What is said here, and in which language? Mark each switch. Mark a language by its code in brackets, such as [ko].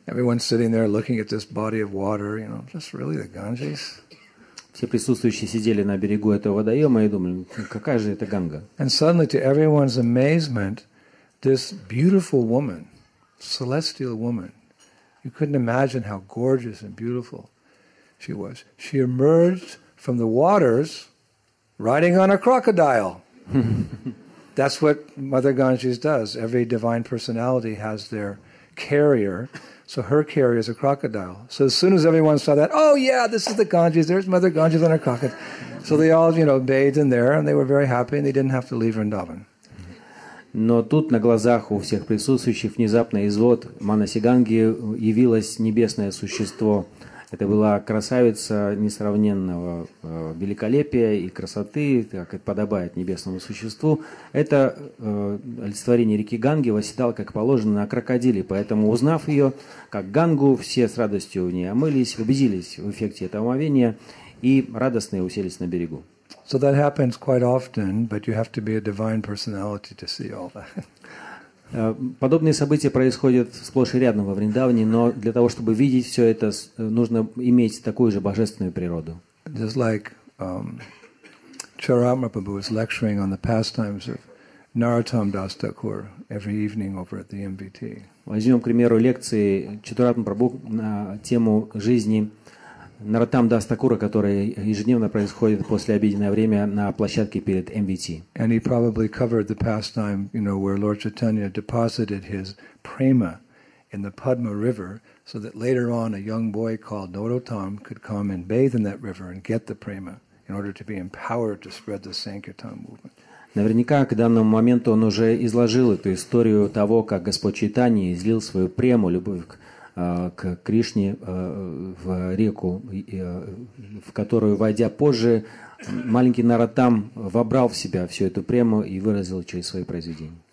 [ru] Все присутствующие сидели на берегу этого водоема и думали, какая же это Ганга. И [en] suddenly, to everyone's amazement, this beautiful woman, celestial woman, you couldn't imagine how gorgeous and beautiful she was. She emerged from the waters riding on a crocodile. That's what Mother Ganges does. Every divine personality has their carrier. So her carrier is a crocodile. So as soon as everyone saw that, oh yeah, this is the Ganges, there's Mother Ganges on a crocodile. So they all, you know, bathed in there and they were very happy and they didn't have to leave Vrindavan. [ru] Но тут на глазах у всех присутствующих внезапно из вод Манаси Ганги явилось небесное существо. Это была красавица несравненного великолепия и красоты, как это подобает небесному существу. Это олицетворение реки Ганги восседало, как положено, на крокодиле. Поэтому, узнав ее, как Гангу, все с радостью в ней омылись, убедились в эффекте этого омовения и радостные уселись на берегу. [en] So that happens quite often, but you have to be a divine personality to see all that. [ru] Подобные события происходят сплошь и рядом во Вриндаване, но для того, чтобы видеть все это, нужно иметь такую же божественную природу. [en] Just like Charama Prabhu was lecturing on the pastimes of Narottam Das Thakur every evening over at the MVT. [ru] Возьмем, к примеру, лекции Чатуратма Прабху на тему жизни Нараттам Дас Такура, который ежедневно происходит после обеденное время на площадке перед MVT. [en] And he probably covered the pastime, you know, where Lord Chaitanya deposited his prema in the Padma River, so that later on a young boy called Narottam could come and bathe in that river and get the prema in order to be empowered to spread the Sankirtan movement. [ru] Наверняка к данному моменту он уже изложил эту историю того, как Господь Чайтанья излил свою прему, любовь к Кришне в реку, в которую, войдя позже, маленький Нараттам вобрал в себя всю эту прему и выразил через свои произведения.